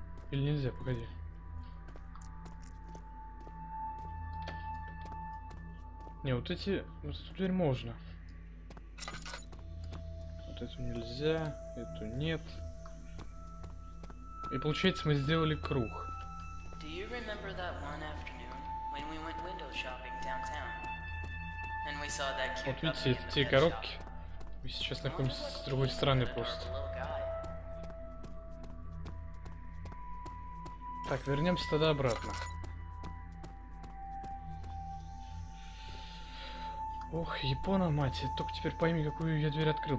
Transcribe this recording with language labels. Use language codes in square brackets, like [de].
[ru] Или нельзя, погоди. Не, вот эти. Вот эту дверь можно. Вот эту нельзя, эту нет. И получается, мы сделали круг. [en] Do you remember that one afternoon when we went window shopping downtown? And we saw that cute. [ru] Вот видите, это те коробки. Мы сейчас находимся с другой стороны просто. Так, вернемся тогда обратно. Ох, япона мать, я только теперь пойми, какую я дверь открыл.